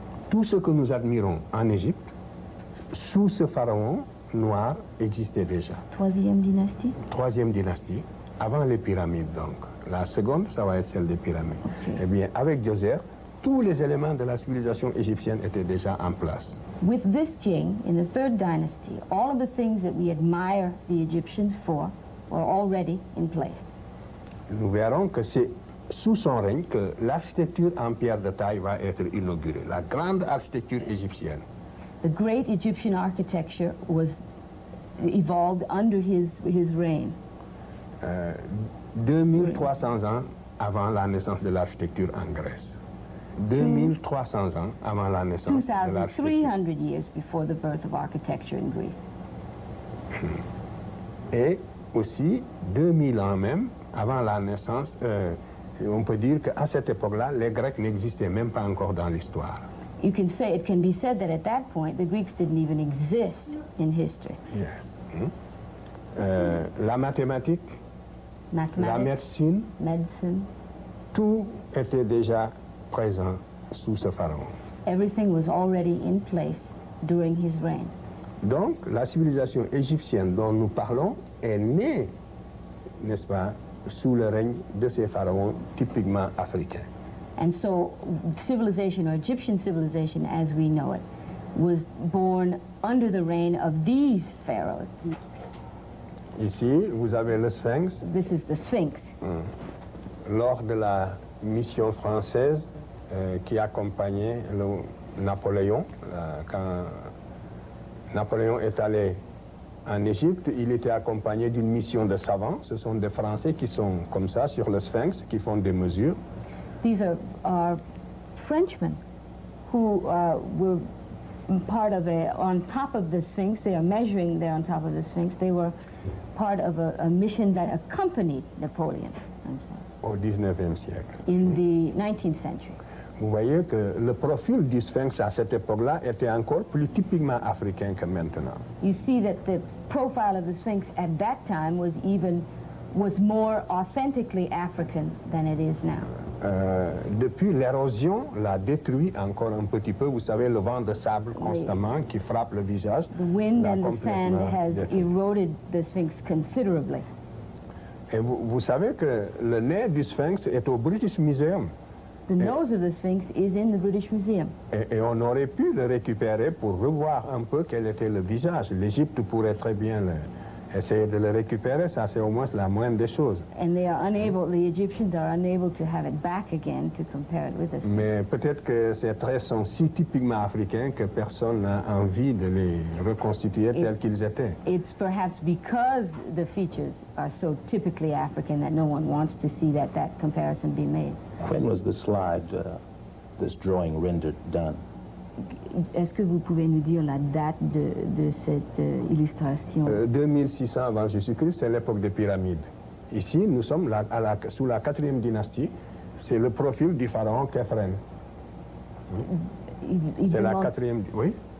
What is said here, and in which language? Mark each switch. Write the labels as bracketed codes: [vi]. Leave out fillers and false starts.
[fr] Tout ce que nous admirons en Égypte, sous ce pharaon noir, existait déjà. Troisième dynastie, avant les pyramides donc. La seconde, ça va être celle des pyramides. Okay. Eh bien, avec Djoser, tous les éléments de la civilisation égyptienne étaient déjà en place. [en] With this king, in the third dynasty, all of the things that we admire the Egyptians for were already in place. [fr] Nous verrons que c'est sous son règne que l'architecture en pierre de taille va être inaugurée, la grande architecture égyptienne. [en] The great Egyptian architecture was evolved under his reign. [fr] 2300 ans avant la naissance de l'architecture en Grèce. 2300 ans avant la naissance de l'architecture. [en] 2300 years before the birth of architecture in Greece. [fr] Et aussi 2000 ans même avant la naissance, on peut dire qu'à cette époque-là, les Grecs n'existaient même pas encore dans l'histoire. [en] You can say, it can be said that at that point, the Greeks didn't even exist in history. [fr] Yes. La mathématique, [en] mathematics, [fr] la médecine, [en] medicine, [fr] tout était déjà présent sous ce pharaon. [en] Everything was already in place during his reign. [fr] Donc, la civilisation égyptienne dont nous parlons est née, n'est-ce pas, sous le règne de ces pharaons typiquement africains. [en] And so civilization, or Egyptian civilization as we know it, was born under the reign of these pharaohs. [fr] Ici, vous avez le Sphinx. [en] This is the Sphinx. [fr] Lors de la mission française qui accompagnait le Napoléon, quand Napoléon est allé en Égypte, il était accompagné d'une mission de savants. Ce sont des Français qui sont comme ça sur le Sphinx, qui font des mesures. [en] These are Frenchmen who were part of a, on top of the Sphinx, they are measuring there on top of the Sphinx, they were part of a mission that accompanied Napoleon. [fr] Au 19e siècle. [en] In the 19th century. [fr] Vous voyez que le profil du Sphinx à cette époque-là était encore plus typiquement africain que maintenant. [en] You see that the profile of the Sphinx at that time was even was more authentically African than it is now. [fr] Depuis, l'érosion l'a détruit encore un petit peu. Vous savez, le vent de sable constamment qui frappe le visage. [en] The wind and the sand has eroded the Sphinx considerably. [fr] Et vous savez que le nez du Sphinx est au British Museum. [en] The nose of the Sphinx is in the British Museum. [fr] Et on aurait pu le récupérer pour revoir un peu quel était le visage. L'Égypte pourrait très bien le, essayer de le récupérer. Ça, c'est au moins la moindre des choses. [en] And they are unable, the Egyptians are unable to have it back again to compare it with the Sphinx. [fr] Mais peut-être que ces traits sont si typiquement africains que personne n'a envie de les reconstituer tels qu'ils étaient. [en] It's perhaps because the features are so typically African that no one wants to see that that comparison be made. When was the slide, this drawing rendered, done? [fr] Est-ce que vous pouvez nous dire la date de cette illustration? 2600 avant Jésus-Christ, c'est l'époque des pyramides. Ici, nous sommes là, à la, sous la 4e dynastie. C'est le profil du pharaon Khéphren. C'est la 4e... Oui?